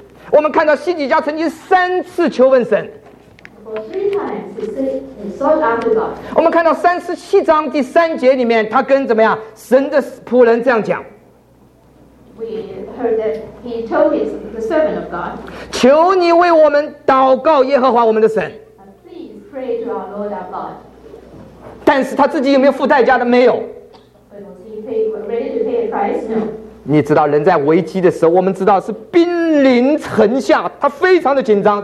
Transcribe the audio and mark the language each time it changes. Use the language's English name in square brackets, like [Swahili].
[Chinese] 我们看到西底家曾经三次求问神。我们看到三十七章第三节里面，他跟怎么样神的仆人这样讲。 [English] We heard that he told the servant of God， [Chinese] 求你为我们祷告耶和华我们的神。 [English] Please pray to our Lord our God。 [Chinese] 但是他自己有没有付代价的？没有。 [English] Ready to pay a price？ No。 [Chinese] 你知道人在危机的时候，我们知道是兵临城下，他非常的紧张。